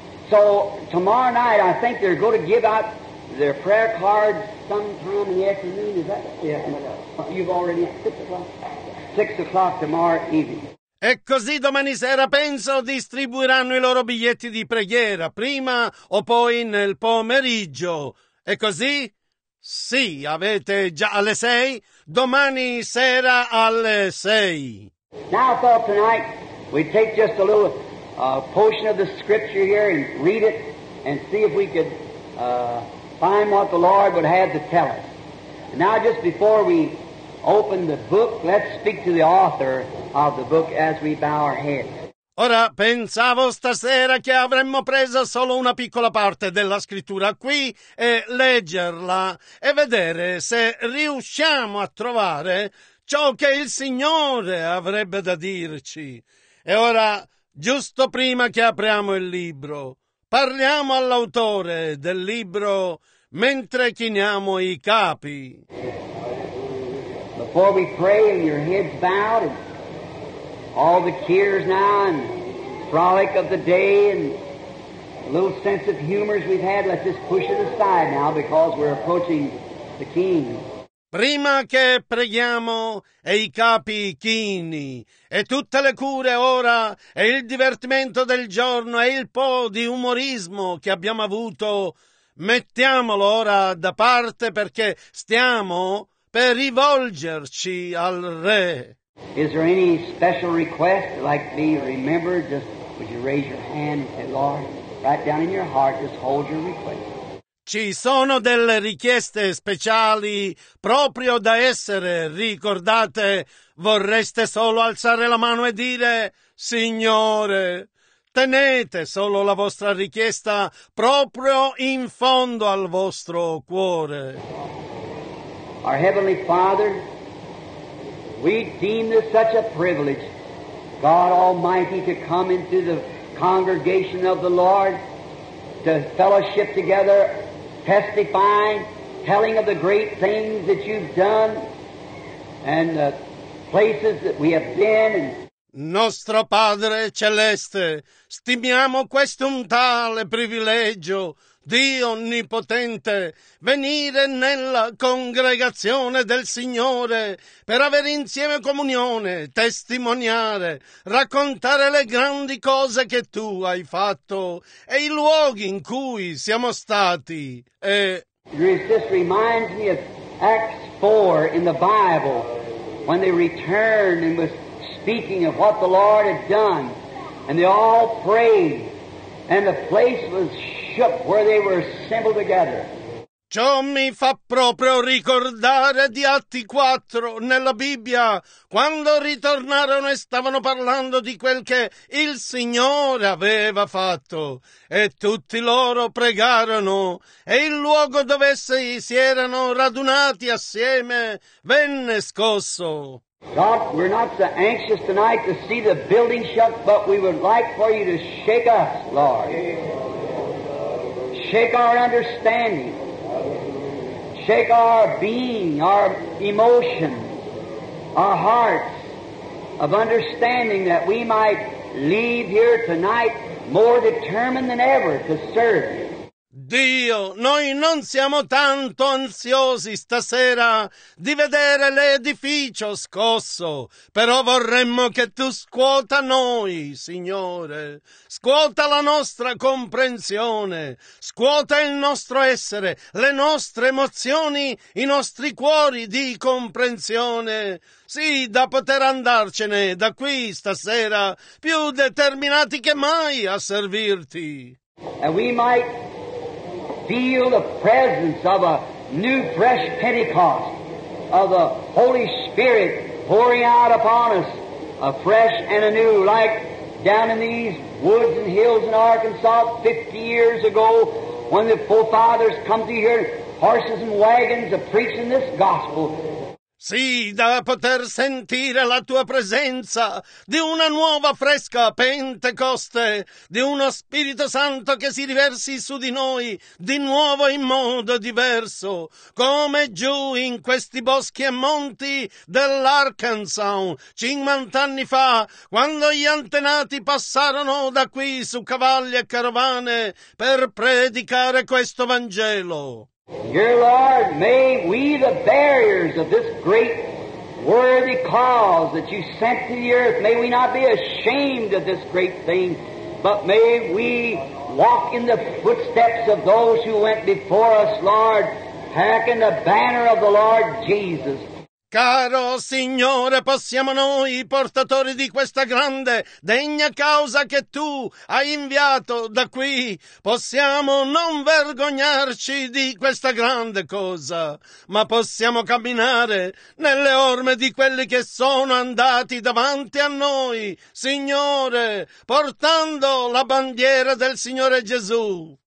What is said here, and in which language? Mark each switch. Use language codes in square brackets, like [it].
[en] So tomorrow night, I think they're going to give out their prayer cards sometime in the afternoon. Is that it? Yeah. You've already 6 o'clock. 6 o'clock tomorrow evening. [it] E così domani sera, penso, distribuiranno i loro biglietti di preghiera, prima o poi nel pomeriggio. E così? Sì, avete già alle 6. Domani sera alle 6. [en] Now I thought tonight we take just a little portion of the scripture here and read it and see if we could find what the Lord would have to tell us. And now just before we open the book, let's speak to the author of the book as we bow our heads. [it] Ora, pensavo stasera che avremmo preso solo una piccola parte della scrittura qui e leggerla e vedere se riusciamo a trovare ciò che il Signore avrebbe da dirci. E ora, giusto prima che apriamo il libro, parliamo all'autore del libro mentre chiniamo i capi. [en] Before we pray and your heads bowed and all the cares now and frolic of the day and a little sense of humors we've had, let's just push it aside now because we're approaching the King. [it] Prima che preghiamo e i capi chini e tutte le cure ora e il divertimento del giorno e il po' di umorismo che abbiamo avuto, mettiamolo ora da parte perché stiamo per rivolgerci al Re. [en] Is there any special request like be remembered? Just would you raise your hand and say, Lord, right down in your heart, just hold your request. [it] Ci sono delle richieste speciali proprio da essere ricordate? Vorreste solo alzare la mano e dire, Signore, tenete solo la vostra richiesta proprio in fondo al vostro cuore. [en] Our Heavenly Father, we deem this such a privilege, God Almighty, to come into the congregation of the Lord, to fellowship together, testifying, telling of the great things that you've done and the places that we have been. [it] Nostro Padre Celeste, stimiamo questo un tale privilegio, Dio Onnipotente, venire nella congregazione del Signore per avere insieme comunione, testimoniare, raccontare le grandi cose che Tu hai fatto e i luoghi in cui siamo stati. E [en] this reminds me of Acts 4 in the Bible, when they returned and was speaking of what the Lord had done, and they all prayed, and the place was shook where they were assembled together. [it] Ciò mi fa proprio ricordare di Atti 4 nella Bibbia, quando ritornarono e stavano parlando di quel che il Signore aveva fatto, e tutti loro pregarono, e il luogo dove essi si erano radunati assieme venne scosso. [en] God, we're not so anxious tonight to see the building shut, but we would like for you to shake us, Lord. Shake our understanding. Shake our being, our emotions, our hearts of understanding that we might leave here tonight more determined than ever to serve you. [it] Dio, noi non siamo tanto ansiosi stasera di vedere l'edificio scosso, però vorremmo che Tu scuota noi, Signore. Scuota la nostra comprensione, scuota il nostro essere, le nostre emozioni, i nostri cuori di comprensione. Sì, da poter andarcene da qui stasera più determinati che mai a servirti. [en] And we might feel the presence of a new, fresh Pentecost, of the Holy Spirit pouring out upon us, a fresh and a new, like down in these woods and hills in Arkansas 50 years ago when the forefathers come to hear horses and wagons of preaching this gospel. [it] Sì, da poter sentire la tua presenza di una nuova fresca Pentecoste, di uno Spirito Santo che si riversi su di noi di nuovo in modo diverso, come giù in questi boschi e monti dell'Arkansas 50 anni fa, quando gli antenati passarono da qui su cavalli e carovane per predicare questo Vangelo. [en] Dear Lord, may we the bearers of this great worthy cause that you sent to the earth, may we not be ashamed of this great thing, but may we walk in the footsteps of those who went before us, Lord, hearken the banner of the Lord Jesus. [it] Caro Signore, possiamo noi, portatori di questa grande, degna causa che Tu hai inviato da qui, possiamo non vergognarci di questa grande cosa, ma possiamo camminare nelle orme di quelli che sono andati davanti a noi, Signore, portando la bandiera del Signore Gesù.